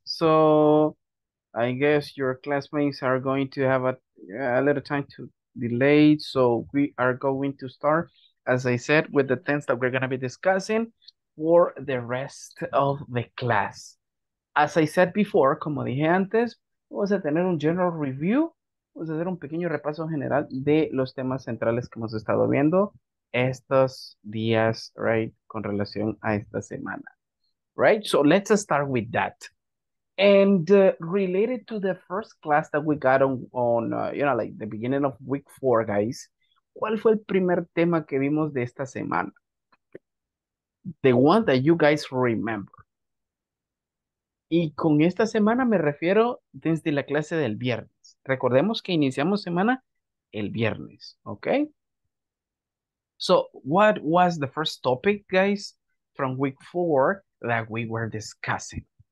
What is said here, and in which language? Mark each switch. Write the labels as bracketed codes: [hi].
[en] So I guess your classmates are going to have a little time to delay. So we are going to start, as I said, with the things that we're going to be discussing for the rest of the class. As I said before, [es] como dije antes, vamos a tener un [en] general review. [es] Vamos a hacer un pequeño repaso general de los temas centrales que hemos estado viendo estos días, right, con relación a esta semana, right? [en] So let's start with that. And related to the first class that we got on you know, like the beginning of week four, guys, [es] ¿cuál fue el primer tema que vimos de esta semana? [en] The one that you guys remember. [es] Y con esta semana me refiero desde la clase del viernes. Recordemos que iniciamos semana el viernes, ¿ok? [en] So, what was the first topic, guys, from week four that we were discussing?